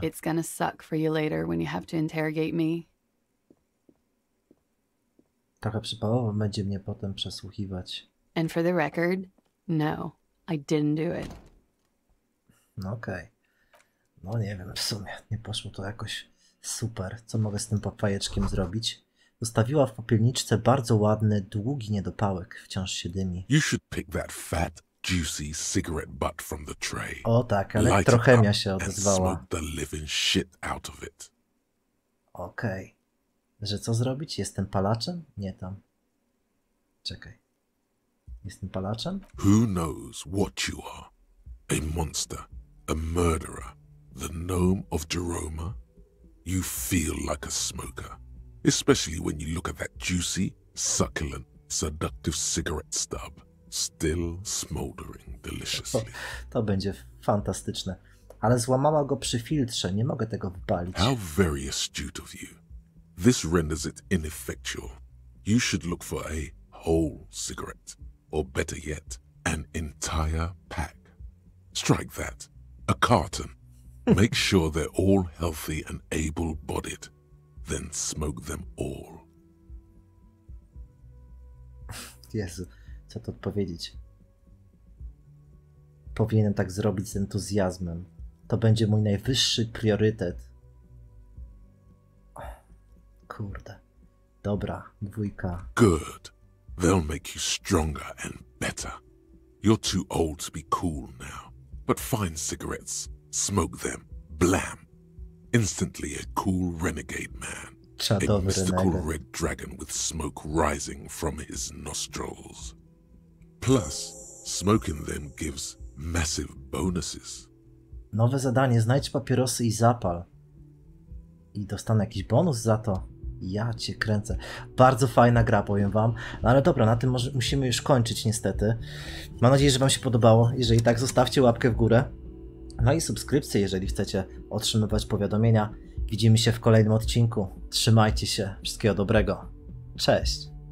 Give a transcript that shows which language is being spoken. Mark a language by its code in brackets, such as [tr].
[en] It's gonna suck for you later when you have to interrogate me. [pl] Trochę przypałowo będzie mnie potem przesłuchiwać. [en] And for the record, no, I didn't do it. [pl] No okej. Okay. No nie wiem, w sumie nie poszło to jakoś super. Co mogę z tym papajeczkiem zrobić? Zostawiła w popielniczce bardzo ładny, długi niedopałek. Wciąż się dymi. [en] You should pick that fat, juicy cigarette butt from the tray. [pl] O tak, elektrochemia się odezwała. [en] And smoke the living shit out of it. [pl] Okej. Okay. Że co zrobić? Jestem palaczem? Nie tam. Czekaj. Jestem palaczem? [en] Who knows what you are? A monster, a murderer, the gnome of Jeroma? You feel like a smoker. Especially when you look at that juicy, succulent, seductive cigarette stub, still smoldering deliciously. [pl] To będzie fantastyczne. Ale złamała go przy filtrze, nie mogę tego wypalić. [en] How very astute of you. This renders it ineffectual. You should look for a whole cigarette. Or better yet, an entire pack. Strike that. A carton. Make sure they're all healthy and able-bodied. Then smoke them all. [pl] Jezu, co to odpowiedzieć? Powinienem tak zrobić z entuzjazmem. To będzie mój najwyższy priorytet. Kurde. Dobra, dwójka. [en] Good. They'll make you stronger and better. You're too old to be cool now. But find cigarettes. Smoke them. Blam. Instantly a cool renegade man. [pl] Czadowy [en] a mystical renegade. Red dragon with smoke rising from his nostrils. Plus, smoking them gives massive bonuses. [pl] Nowe zadanie. Znajdź papierosy i zapal. I dostanę jakiś bonus za to. Ja cię kręcę. Bardzo fajna gra, powiem wam. No ale dobra, na tym musimy już kończyć niestety. Mam nadzieję, że wam się podobało. Jeżeli tak, zostawcie łapkę w górę. No i subskrypcję, jeżeli chcecie otrzymywać powiadomienia. Widzimy się w kolejnym odcinku. Trzymajcie się. Wszystkiego dobrego. Cześć.